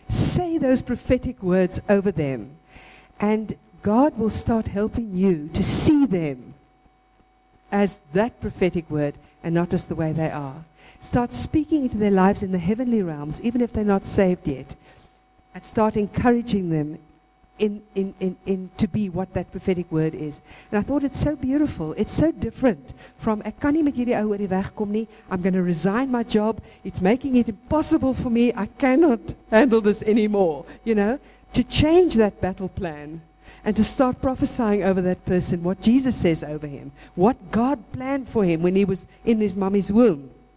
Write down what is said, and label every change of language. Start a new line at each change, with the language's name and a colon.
English: Say those prophetic words over them. And God will start helping you to see them as that prophetic word and not just the way they are. Start speaking into their lives in the heavenly realms, even if they're not saved yet. And start encouraging them in to be what that prophetic word is. And I thought it's so beautiful. It's so different from,
Afrikaans: ek kan nie met hierdie ou oor die weg kom nie.
English: I'm going to resign my job. It's making it impossible for me. I cannot handle this anymore. You know, to change that battle plan and to start prophesying over that person what Jesus says over him, what God planned for him when he was in his mommy's womb.